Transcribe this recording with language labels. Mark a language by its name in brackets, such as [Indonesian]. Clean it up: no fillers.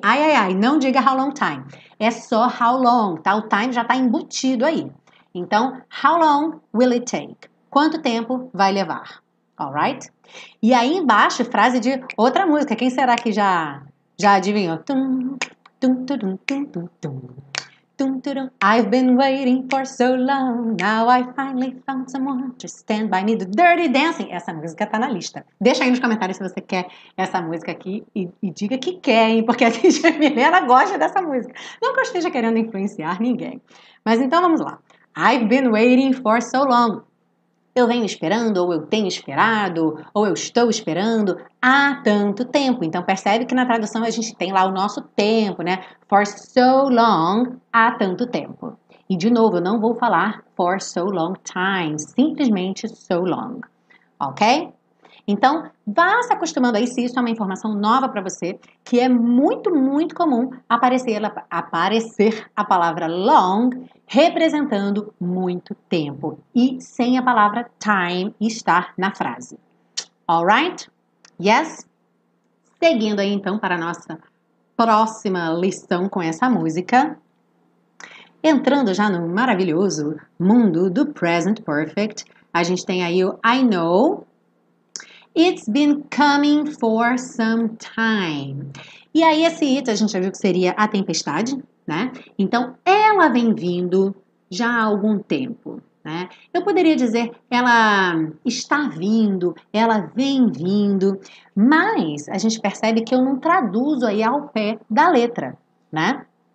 [Portuguese] Ai, ai, ai, não diga how long time, é só how long, tá? O time já está embutido aí. Então, [English] how long will it take? [Portuguese] Quanto tempo vai levar? Alright? E aí embaixo, frase de outra música, quem será que já adivinhou? Tum. [English] I've been waiting for so long, now I finally found someone to stand by me, the Dirty Dancing. [Portuguese] Essa música tá na lista. Deixa aí nos comentários se você quer essa música aqui e diga que quer, hein? Porque a Tia Milena gosta dessa música. Não que eu esteja querendo influenciar ninguém. Mas então vamos lá. [English] I've been waiting for so long. [Portuguese] Eu venho esperando, ou eu tenho esperado, ou eu estou esperando há tanto tempo. Então, percebe que na tradução a gente tem lá o nosso tempo, né? For so long, há tanto tempo. E, de novo, eu não vou falar [English] for so long time, [Portuguese] simplesmente so long, ok? Então, vá se acostumando aí, se isso é uma informação nova para você, que é muito, muito comum aparecer a palavra long representando muito tempo e sem a palavra time estar na frase. Alright? Yes? Seguindo aí, então, para a nossa próxima lição com essa música. Entrando já no maravilhoso mundo do present perfect, a gente tem aí o I know. [English] It's been coming for some time. [Portuguese] E aí, esse it, a gente já viu que seria a tempestade, né? Então, ela vem vindo já há algum tempo, né? Eu poderia dizer, ela está vindo, ela vem vindo, mas a gente percebe que eu não traduzo aí ao pé da letra, né?